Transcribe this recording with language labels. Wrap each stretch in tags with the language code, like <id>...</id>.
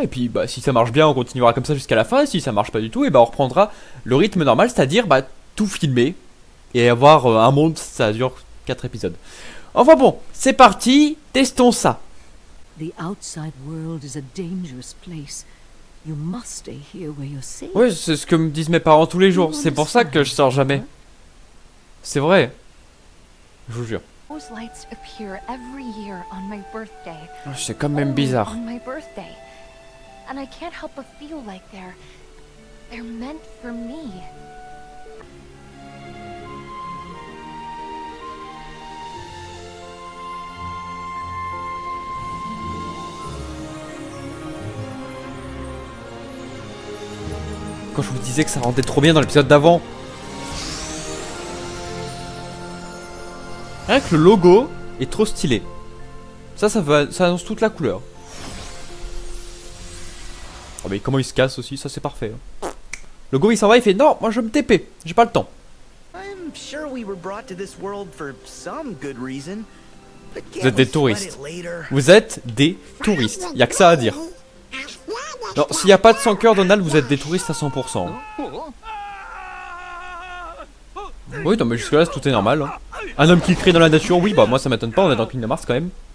<fr>Et puis bah, si ça marche bien, on continuera comme ça jusqu'à la fin. Et si ça marche pas du tout, et bah, on reprendra le rythme normal, c'est-à-dire bah, tout filmer et avoir un monde, ça dure 4 épisodes. Enfin bon, c'est parti, testons ça.</fr> <en>The outside world is a dangerous place. You must stay here where you're safe.</en> <fr>Oui, c'est ce que me disent mes parents tous les jours. C'est pour ça que je sors jamais. C'est vrai. Je vous jure.</fr> <en>Those lights appear every year on my birthday.</en> <fr>C'est quand même bizarre.</fr> <en>On my birthday. And I can't help but feel like they're meant for me.</en> <fr>Quand je vous disais que ça rendait trop bien dans l'épisode d'avant. Rien que le logo est trop stylé. Ça annonce toute la couleur. Oh mais comment il se casse aussi, ça c'est parfait. Le go il s'en va, il fait non, moi je me TP, j'ai pas le temps.</fr> <en>I'm sure we were brought to this world for some good reason.</en> <fr>Vous êtes des touristes. Vous êtes des touristes, y'a que ça à dire. Non, s'il n'y a pas de sang-cœur, Donald, vous êtes des touristes à 100%. Oui, non, mais jusque-là, tout est normal. Un homme qui crie dans la nature, oui, bah moi ça m'étonne pas, on est dans Kingdom Hearts quand même.</fr>